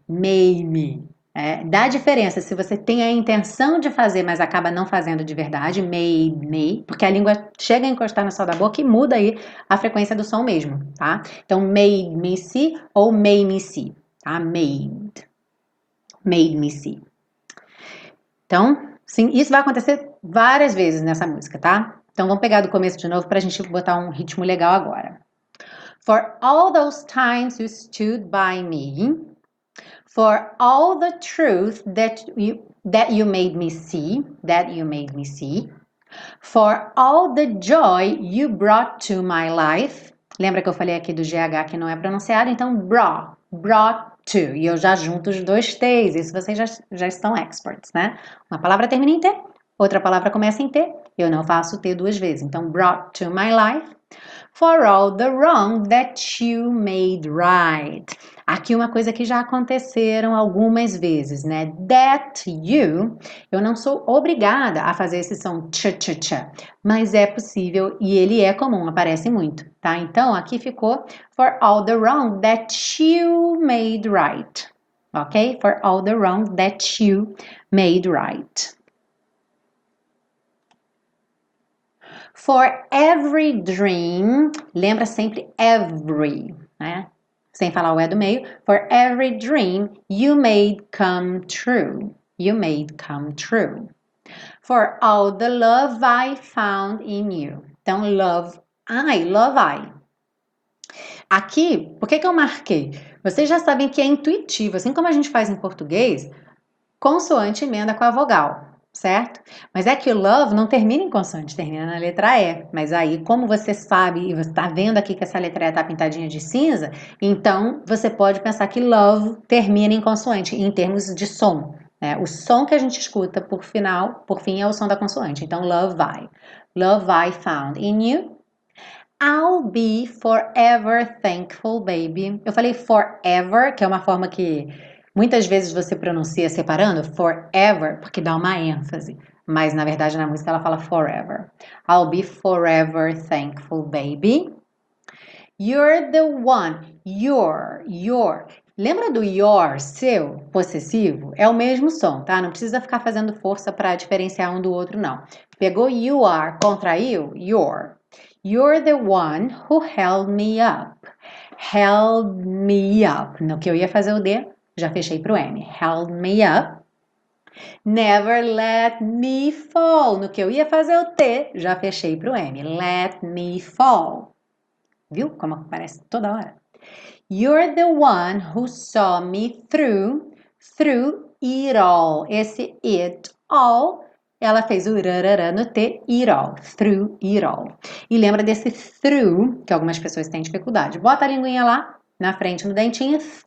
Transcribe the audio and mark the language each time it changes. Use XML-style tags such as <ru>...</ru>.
<en>Made me.</en> <pt>É, dá diferença se você tem a intenção de fazer, mas acaba não fazendo de verdade,</pt> <en>made me,</en> <pt>porque a língua chega a encostar no céu da boca e muda aí a frequência do som mesmo, tá? Então,</pt> <en>made me see ou made me see, tá? Made me see.</en> <pt>Então, sim, isso vai acontecer várias vezes nessa música, tá? Então, vamos pegar do começo de novo para a gente botar um ritmo legal agora.</pt> <en>For all those times you stood by me. For all the truth that you made me see, that you made me see. For all the joy you brought to my life.</en> <pt>Lembra que eu falei aqui do GH que não é pronunciado? Então,</pt> <en>brought to.</en> <pt>E eu já junto os dois T's. Isso vocês já estão experts, né? Uma palavra termina em T, outra palavra começa em T. Eu não faço T duas vezes. Então,</pt> <en>brought to my life. For all the wrong that you made right.</en> <pt>Aqui uma coisa que já aconteceram algumas vezes, né?</pt> <en>That you,</en> <pt>eu não sou obrigada a fazer esse som tcha-tcha-tcha, mas é possível e ele é comum, aparece muito, tá? Então aqui ficou</pt> <en>for all the wrong that you made right. Ok? For all the wrong that you made right. For every dream,</en> <pt>lembra sempre every, né? Sem falar o E do meio.</pt> <en>For every dream you made come true. You made come true. For all the love I found in you.</en> <pt>Então,</pt> <en>love I.</en> <pt>Aqui, por que que eu marquei? Vocês já sabem que é intuitivo, assim como a gente faz em português, consoante emenda com a vogal. Certo? Mas é que o love não termina em consoante, termina na letra E. Mas aí, como você sabe, e você está vendo aqui que essa letra E está pintadinha de cinza, então você pode pensar que love termina em consoante, em termos de som, né? O som que a gente escuta por final, por fim, é o som da consoante. Então,</pt> <en>love I found in you. I'll be forever thankful, baby.</en> <pt>Eu falei forever, que é uma forma que muitas vezes você pronuncia separando forever, porque dá uma ênfase. Mas na verdade na música ela fala forever.</pt> <en>I'll be forever thankful, baby. You're the one. Your.</en> <pt>Lembra do</pt> <en>your,</en> <pt>seu, possessivo? É o mesmo som, tá? Não precisa ficar fazendo força para diferenciar um do outro, não. Pegou you are, contraiu, your.</pt> <en>You're the one who held me up. Held me up.</en> <pt>No que eu ia fazer o D. Já fechei pro M.</pt> <en>Held me up. Never let me fall.</en> <pt>No que eu ia fazer o T, já fechei pro M.</pt> <en>Let me fall.</en> <pt>Viu como aparece toda hora?</pt> <en>You're the one who saw me through it all.</en> <pt>Esse</pt> <en>it all,</en> <pt>ela fez o rarara no T, it all.</pt> <en>Through it all.</en> <pt>E lembra desse through, que algumas pessoas têm dificuldade. Bota a linguinha lá na frente no dentinho.</pt>